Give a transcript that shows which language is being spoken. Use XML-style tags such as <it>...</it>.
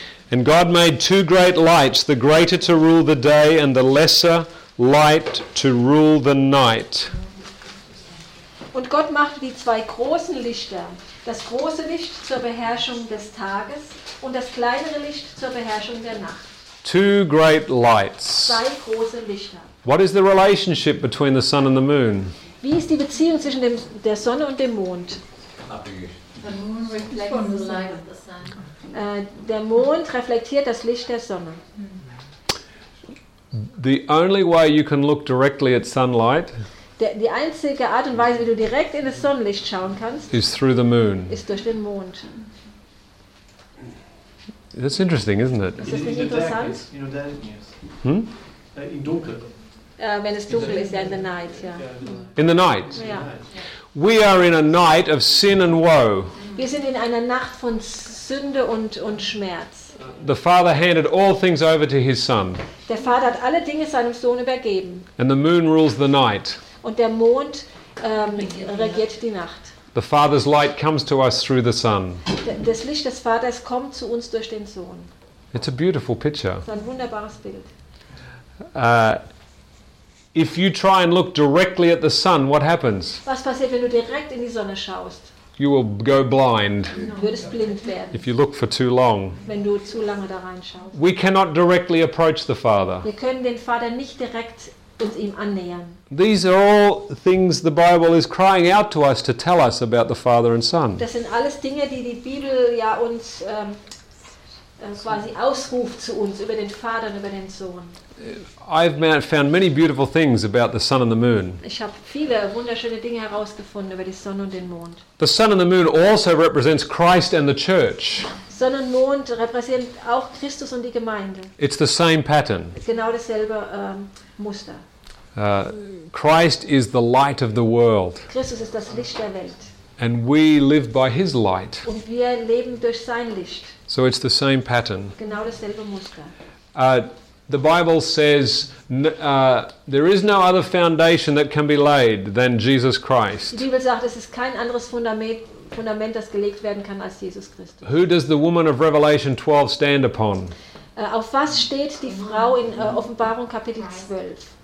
<en>And God made two great lights, the greater to rule the day and the lesser light to rule the night.</en> <de>Und Gott machte die zwei großen Lichter. Das große Licht zur Beherrschung des Tages und das kleinere Licht zur Beherrschung der Nacht.</de> <en>Two great lights.</en> <de>Zwei große Lichter.</de> <en>What is the relationship between the sun and the moon?</en> <de>Wie ist die Beziehung zwischen der Sonne und dem Mond?</de> <en>The moon reflects the light of the sun.</en> <de>Der Mond reflektiert das Licht der Sonne.</de> <en>The only way you can look directly at sunlight.</en> <de>Die einzige Art und Weise, wie du direkt in das Sonnenlicht schauen kannst,</de> <en>is through the moon.</en> <de>Ist durch den Mond.</de> <en>That's interesting, isn't it?</en> <de>Ist das nicht interessant?</de> <en>In the dark, yes. Hmm?</en> <de>In dunkel. Wenn es dunkel ist, ja,</de> <en>in the night,</en> <de>ja.</de> <en>In the night?</en> <de>Ja.</de> <en>We are in a night of sin and woe.</en> <de>Wir sind in einer Nacht von Sünde und Schmerz.</de> <en>The Father handed all things over to his Son.</en> <de>Der Vater hat alle Dinge seinem Sohn übergeben.</de> <en>And the moon rules the night.</en> <de>Und der Mond regiert die Nacht.</de> <en>The Father's light comes to us through the Son.</en> <de>Das Licht des Vaters kommt zu uns durch den Sohn.</de> <en>It's a beautiful picture.</en> <de>Das ist ein wunderbares Bild.</de> <en>If you try and look directly at the sun, what happens?</en> <de>Was passiert, wenn du direkt in die Sonne schaust?</de> <en>You will go blind.</en> <de>No. Du wirst blind werden.</de> <en>If you look for too long.</en> <de>Wenn du zu lange da reinschaust.</de> <en>We cannot directly approach the Father.</en> <de>Wir können den Vater nicht direkt uns ihm annähern.</de> <en>These are all things the Bible is crying out to us to tell us about the Father and Son.</en> <de>Das sind alles Dinge, die Bibel ja uns quasi ausruft zu uns über den Vater und über den Sohn.</de> <en>I've found many beautiful things about the sun and the moon.</en> <de>Ich habe viele wunderschöne Dinge herausgefunden über die Sonne und den Mond.</de> <en>The sun and the moon also represents Christ and the church.</en> <de>Sonne und Mond repräsentiert auch Christus und die Gemeinde.</de> <en>It's the same pattern.</en> <de>Genau dasselbe Muster.</de> <en>Christ is the light of the world.</en> <de>Christus ist das Licht der Welt.</de> <en>And we live by his light.</en> <de>Und wir leben durch sein Licht.</de> <en>So it's the same pattern.</en> <de>Genau dasselbe Muster.</de> <en>The Bible says there is no other foundation that can be laid than Jesus Christ.</en> <de>Die Bibel sagt, es ist kein anderes Fundament, das gelegt werden kann als Jesus Christus.</de> <en>Who does the woman of Revelation 12 stand upon?</en> <de>Auf was steht die Frau in Offenbarung Kapitel 12?</de>